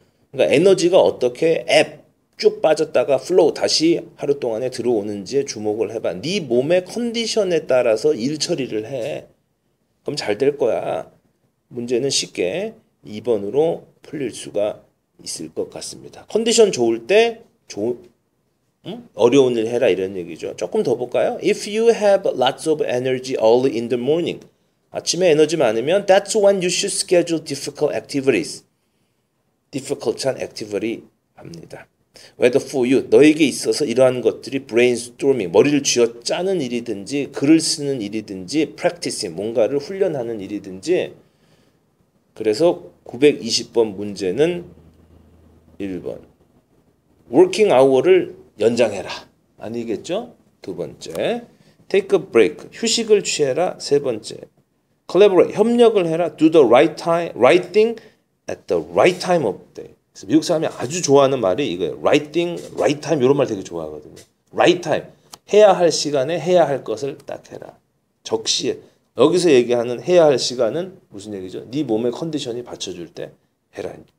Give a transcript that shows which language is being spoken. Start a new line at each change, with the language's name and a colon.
Korean: 그러니까 에너지가 어떻게 앱쭉 빠졌다가 플로우 다시 하루 동안에 들어오는지에 주목을 해봐. 네 몸의 컨디션에 따라서 일 처리를 해. 그럼 잘될 거야. 문제는 쉽게 2번으로 풀릴 수가 있을 것 같습니다. 컨디션 좋을 때 어려운 일 해라 이런 얘기죠. 조금 더 볼까요?
English: If you have lots of energy early in the morning, 아침에 에너지 많으면 that's when you should schedule difficult activities.
Korean: difficult한 activity 합니다. Whether for you, 너에게 있어서 이러한 것들이 brainstorming, 머리를 쥐어짜는 일이든지, 글을 쓰는 일이든지, practicing, 뭔가를 훈련하는 일이든지. 그래서 920번 문제는 1번. Working hour를 연장해라. 아니겠죠? 두 번째. Take a break. 휴식을 취해라. 세 번째. Collaborate. 협력을 해라.
English: Do the right time, right thing at the right time of day.
Korean: 미국 사람이 아주 좋아하는 말이 이거예요. Right thing, right time 이런 말 되게 좋아하거든요. Right time. 해야 할 시간에 해야 할 것을 딱 해라. 적시에. 여기서 얘기하는 해야 할 시간은 무슨 얘기죠? 네 몸의 컨디션이 받쳐줄 때 해라.